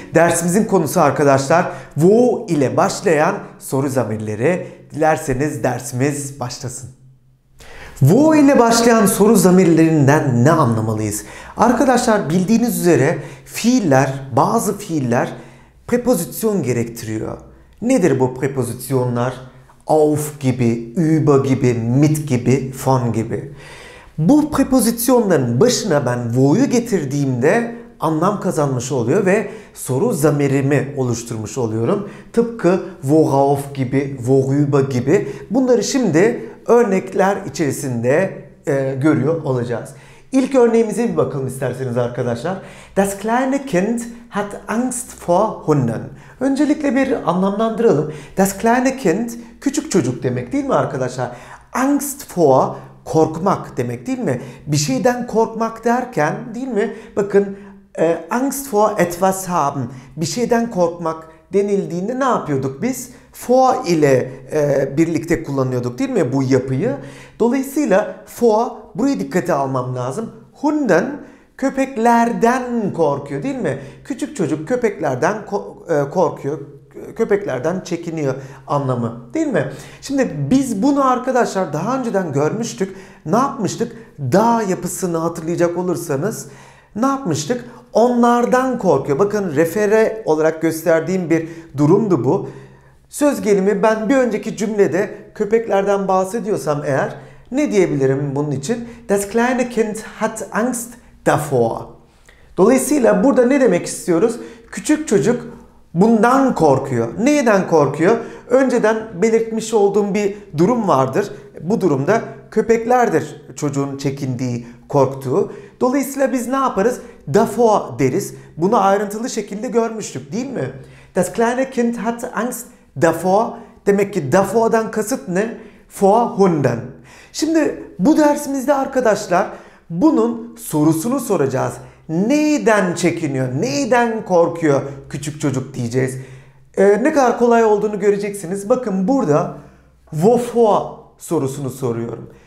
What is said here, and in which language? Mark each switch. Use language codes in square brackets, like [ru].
[tr] Dersimizin konusu arkadaşlar, wo ile başlayan soru zamirleri. Dilerseniz dersimiz başlasın. Wo ile başlayan soru zamirlerinden ne anlamalıyız? Arkadaşlar bildiğiniz üzere fiiller, bazı fiiller prepozisyon gerektiriyor. Nedir bu prepozisyonlar? Auf gibi, über gibi, mit gibi, von gibi. Bu prepozisyonların başına ben wo'yu getirdiğimde anlam kazanmış oluyor ve soru zamirimi oluşturmuş oluyorum. Tıpkı worauf gibi, worüber gibi. Bunları şimdi örnekler içerisinde görüyor olacağız. İlk örneğimize bir bakalım isterseniz arkadaşlar. [de] Das kleine Kind hat Angst vor Hunden. [tr] Öncelikle bir anlamlandıralım. [de] Das kleine Kind [tr] küçük çocuk demek değil mi arkadaşlar? [de] Angst vor [tr] korkmak demek değil mi? Bir şeyden korkmak derken değil mi? Bakın [de] Angst vor etwas haben. [tr] Bir şeyden korkmak denildiğinde ne yapıyorduk biz? Vor ile birlikte kullanıyorduk değil mi bu yapıyı? Dolayısıyla vor, burayı dikkate almam lazım. Hunden, köpeklerden korkuyor değil mi? Küçük çocuk köpeklerden korkuyor. Köpeklerden çekiniyor anlamı değil mi? Şimdi biz bunu arkadaşlar daha önceden görmüştük. Ne yapmıştık? Da yapısını hatırlayacak olursanız ne yapmıştık? Onlardan korkuyor. Bakın refere olarak gösterdiğim bir durumdu bu. Söz gelimi ben bir önceki cümlede köpeklerden bahsediyorsam eğer ne diyebilirim bunun için? [de] Das kleine Kind hat Angst davor. [tr] Dolayısıyla burada ne demek istiyoruz? Küçük çocuk bundan korkuyor. Neyden korkuyor? Önceden belirtmiş olduğum bir durum vardır. Bu durumda köpeklerdir çocuğun çekindiği, korktuğu. Dolayısıyla biz ne yaparız? Davor deriz. Bunu ayrıntılı şekilde görmüştük değil mi? [de] Das kleine Kind hat Angst davor. [tr] Demek ki davor'dan kasıt ne? [de] Vor Hunden. [tr] Şimdi bu dersimizde arkadaşlar bunun sorusunu soracağız. Neyden çekiniyor, neyden korkuyor küçük çocuk diyeceğiz. Ne kadar kolay olduğunu göreceksiniz. Bakın burada wovor sorusunu soruyorum.